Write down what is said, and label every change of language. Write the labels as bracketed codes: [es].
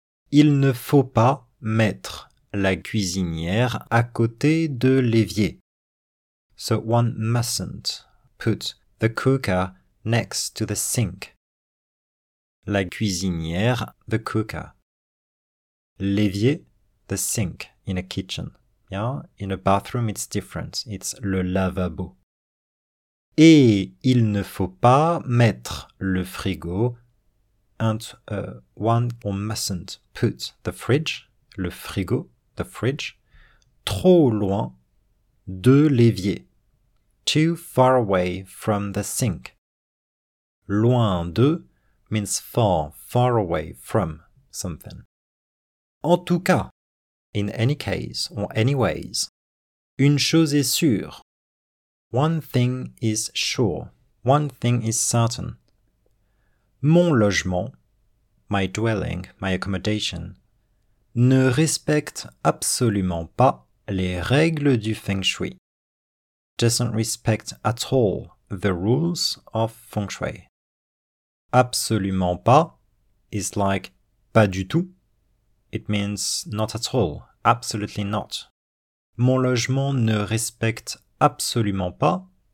[fr] Il ne faut pas mettre la cuisinière à côté de l'évier. [en] So one mustn't put the cooker next to the sink. [fr] La cuisinière, [en] the cooker. [fr] L'évier, [en] the sink in a kitchen. Yeah? In a bathroom, it's different. It's le lavabo. [fr] Et il ne faut pas mettre le frigo. [en] And one or mustn't put the fridge, [fr] le frigo, [en] the fridge, [fr] trop loin de l'évier. [en] Too far away from the sink. [fr] Loin de [en] means far, far away from something. [fr] En tout cas, [en] in any case, or anyways, [fr] une chose est sûre. [en] One thing is sure, one thing is certain. [fr] Mon logement, [en] my dwelling, my accommodation, [fr] ne respecte absolument pas les règles du feng shui. [en] Doesn't respect at all the rules of feng shui. [fr] Absolument pas [en] is like [fr] pas du tout. [en] It means not at all, absolutely not. [fr] Mon logement ne respecte absolument pas,